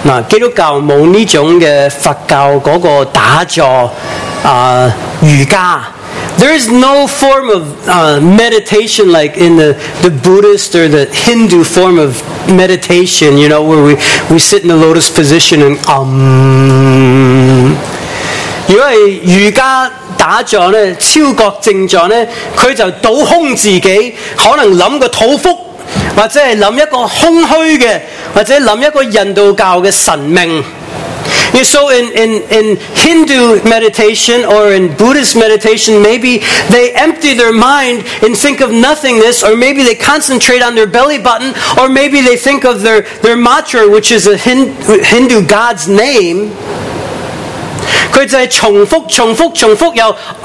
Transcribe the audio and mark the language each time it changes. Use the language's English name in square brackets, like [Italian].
[Chinese] 基督教没有这种的佛教那个打坐、瑜伽。 [English] There is no form of meditation like in the Buddhist or the Hindu form of meditation, you know, where we sit in the lotus position and [Chinese] 因为瑜伽打坐呢超觉静坐呢他就倒空自己可能想个祷福。或者是想一个空虚的或者想一个印度教的神明 [English] So in Hindu meditation or in Buddhist meditation maybe they empty their mind and think of nothingness or maybe they concentrate on their belly button or maybe they think of their mantra which is a Hindu God's name [Chinese] 他就是重复重复重复又